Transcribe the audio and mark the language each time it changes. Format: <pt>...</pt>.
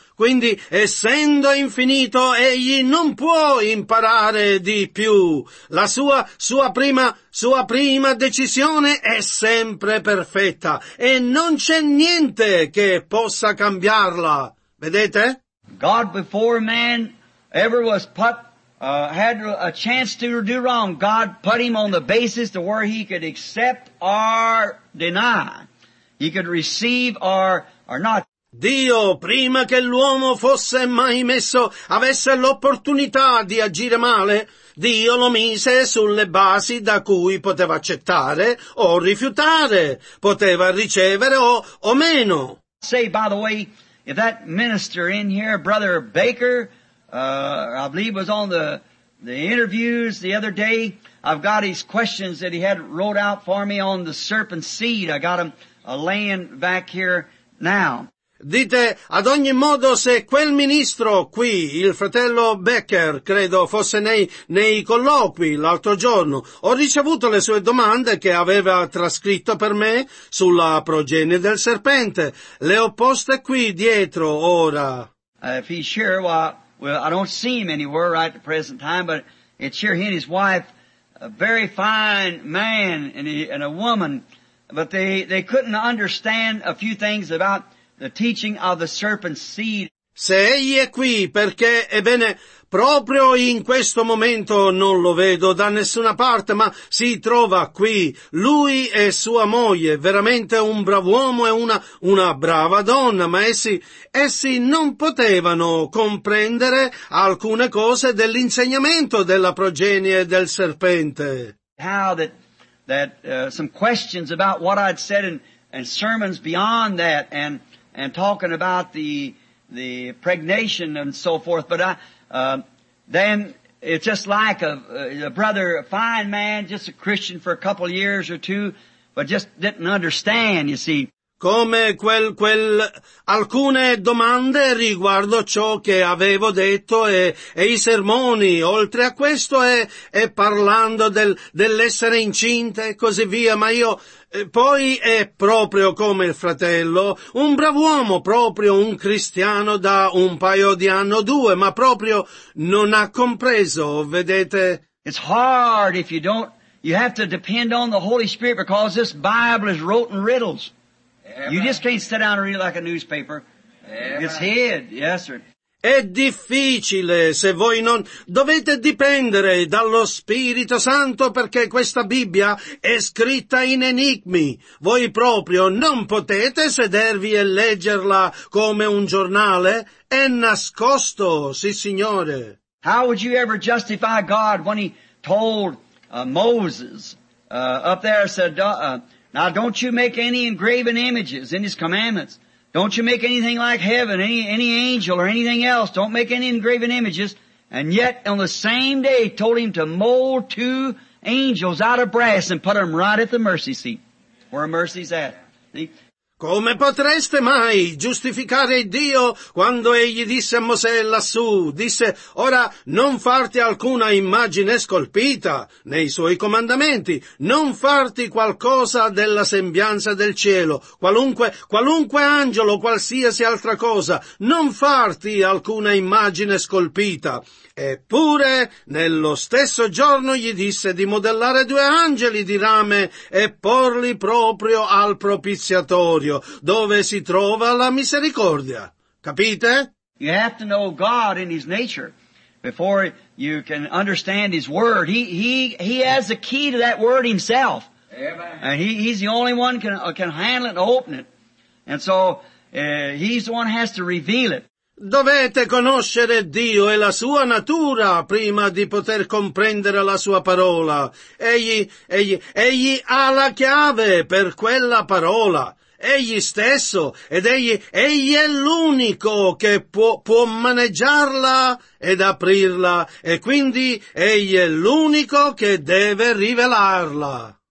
<it>Quindi, essendo infinito, egli non può imparare di più. La sua prima decisione è sempre perfetta, e non c'è niente che possa cambiarla. Vedete?</it> <en>God, before man ever was had a chance to do wrong, God put him on the basis to where he could accept or deny. He could receive or not.</en> <it>Dio, prima che l'uomo fosse mai messo, avesse l'opportunità di agire male, Dio lo mise sulle basi da cui poteva accettare o rifiutare, poteva ricevere o meno.</it> <en>Say, by the way, if that minister in here, Brother Baker, I believe was on the interviews the other day, I've got his questions that he had wrote out for me on the serpent seed. I got them laying back here now.</en> <it>Dite, ad ogni modo, se quel ministro qui, il fratello Becker, credo, fosse nei colloqui l'altro giorno, ho ricevuto le sue domande che aveva trascritto per me sulla progenie del serpente. Le ho poste qui dietro, ora.</it> <en>If he's sure, well, I don't see him anywhere right at the present time, but it's sure he and his wife, a very fine man and a woman, but they couldn't understand a few things about the teaching of the serpent's seed.</en> <it>Se egli è qui, perché, ebbene, proprio in questo momento non lo vedo da nessuna parte, ma si trova qui, lui e sua moglie, veramente un brav'uomo e una brava donna, ma essi non potevano comprendere alcune cose dell'insegnamento della progenie del serpente.</it> <en>How that some questions about what I'd said and sermons beyond that and talking about the pregnation and so forth, but then it's just like a brother, a fine man, just a Christian for a couple of years or two, but just didn't understand, you see.</en> <it>come quel alcune domande riguardo ciò che avevo detto e i sermoni, oltre a questo e parlando dell'essere incinta e così via, ma io poi è proprio come il fratello, un brav'uomo, proprio un cristiano da un paio di anni o due, ma proprio non ha compreso, vedete?</it> <en>It's hard if you don't, you have to depend on the Holy Spirit because this Bible is rotten riddles. You just can't sit down and read it like a newspaper. It's hid, yes sir.</en> <it>È difficile se voi non dovete dipendere dallo Spirito Santo perché questa Bibbia è scritta in enigmi. Voi proprio non potete sedervi e leggerla come un giornale. È nascosto, sì signore.</it> <en>How would you ever justify God when he told Moses up there said, now don't you make any engraven images in his commandments. Don't you make anything like heaven, any angel or anything else. Don't make any engraven images. And yet on the same day told him to mold two angels out of brass and put them right at the mercy seat where mercy's at. See?</en> <it>Come potreste mai giustificare Dio quando egli disse a Mosè lassù, disse, ora non farti alcuna immagine scolpita nei suoi comandamenti, non farti qualcosa della sembianza del cielo, qualunque angelo, qualsiasi altra cosa, non farti alcuna immagine scolpita. Eppure, nello stesso giorno gli disse di modellare due angeli di rame e porli proprio al propiziatorio, dove si trova la misericordia. Capite?</it> <en>You have to know God in His nature before you can understand His Word. He has the key to that Word Himself. Amen. And He's the only one can handle it and open it. And so, He's the one who has to reveal it.</en> <it>Dovete conoscere Dio e la sua natura prima di poter comprendere la sua parola. Egli ha la chiave per quella parola. Egli stesso, ed egli è l'unico che può maneggiarla ed aprirla, e quindi egli è l'unico che deve rivelarla.</it>